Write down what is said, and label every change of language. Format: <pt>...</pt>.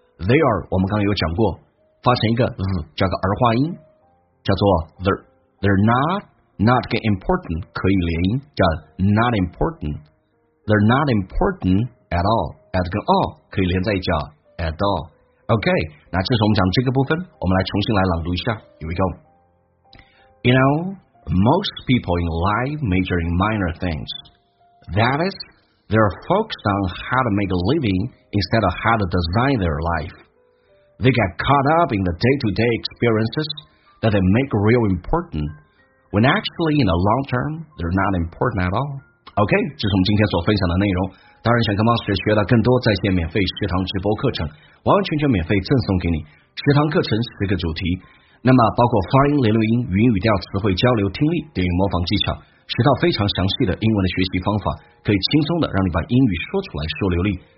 <en>They are，</en> <zh>我们刚刚有讲过，发成一个 z 叫个儿化音，叫做</zh> <en>they're not not</en> <zh>跟 important 可以连音，叫</zh> <en>not important. They're not important at all. At</en> <zh>跟</zh> <en>all</en> <zh>可以连在一起</zh> <en>at all.</en> <zh>OK， 那这是我们讲这个部分，我们来重新来朗读一下。</zh> <en>Here we go. You know, most people in life major in minor things. That is. They're focused on how to make a living instead of how to design their life. They get caught up in the day-to-day experiences that they make real important, when actually in the long term, they're not important at all.</en> <zh>OK， 这是我们今天所分享的内容。当然想跟 Master 学到更多在线免费学堂直播课程，完完全全免费赠送给你。学堂课程是一个主题，那么包括发音、连读音、语音语调、词汇交流、听力、电影模仿技巧，学到非常详细的英文的学习方法，可以轻松的让你把英语说出来说流利。</zh>